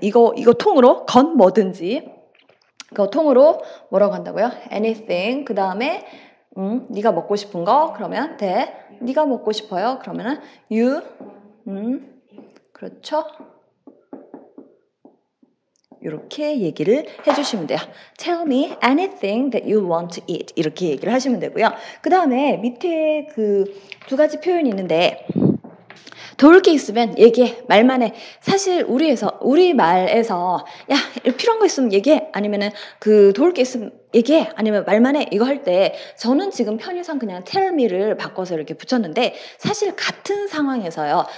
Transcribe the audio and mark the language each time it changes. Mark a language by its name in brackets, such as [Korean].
[Korean] 이거 통으로 건 뭐든지 그거 통으로 뭐라고 한다고요? anything 그 다음에 네가 먹고 싶은 거 그러면 돼. 네가 먹고 싶어요. 그러면은 you 그렇죠? 이렇게 얘기를 해주시면 돼요. [English] Tell me anything that you want to eat. [Korean] 이렇게 얘기를 하시면 되고요. 그 다음에 밑에 그 두 가지 표현이 있는데 도울 게 있으면 얘기해. 말만 해. 사실 우리 말에서 야 필요한 거 있으면 얘기해. 아니면은 그 도울 게 있으면 얘기해. 아니면 말만 해. 이거 할 때 저는 지금 편의상 그냥 [English] tell me [Korean] 를 바꿔서 이렇게 붙였는데 사실 같은 상황에서요.